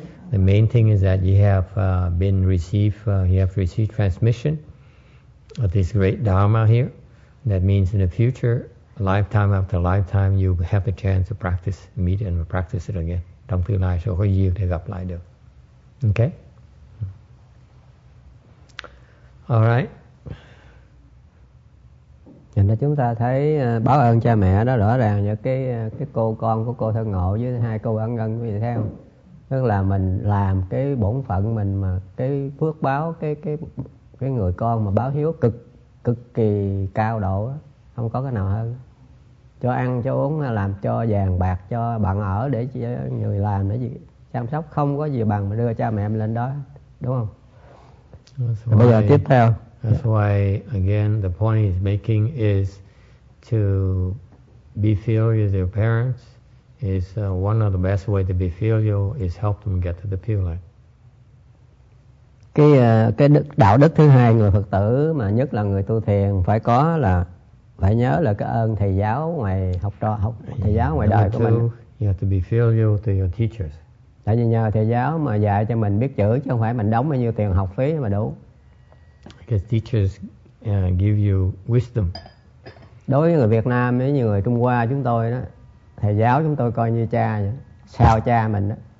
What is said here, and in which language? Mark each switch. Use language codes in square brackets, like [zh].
[en] The main thing is that you have been received, you have received transmission of this great Dharma here. That means in the future, lifetime after lifetime, you have the chance to practice, meet and practice it again. [vi] Trong tương lai sẽ có duyên để gặp lại được. [en] Okay? All right. [vi] Nên là chúng ta thấy báo ơn cha mẹ đó rõ ràng cho cái cô con của cô Thân Ngộ với hai cô Ân Ngân, quý vị thấy không? Tức là mình làm cái bổn phận mình mà cái phước báo cái người con mà báo hiếu cực kỳ cao độ đó, không có cái nào hơn. Cho ăn cho uống, làm cho vàng bạc cho bạn ở để người làm để gì chăm sóc, không có gì bằng mà đưa cha mẹ mình lên đó, đúng không? [en] Why, [vi] bây giờ tiếp theo. [en] That's why again the point he's making is to be filial with your parents. Is one of the best way to be filial is help them get to the pure life. [vi] Cái đạo đức thứ hai người Phật tử mà nhất là người tu thiền phải có là phải nhớ là cái ơn thầy giáo ngoài học trò học thầy giáo ngoài đời của mình. [en] You have to be filial to your teachers. [vi] Tại vì nhờ thầy giáo mà dạy cho mình biết chữ chứ không phải mình đóng bao nhiêu tiền học phí mà đủ. [en] Because teachers give you wisdom. [vi] Đối với người Việt Nam với như người Trung Hoa chúng tôi đó, thầy giáo chúng tôi coi như cha vậy, sao cha mình đó.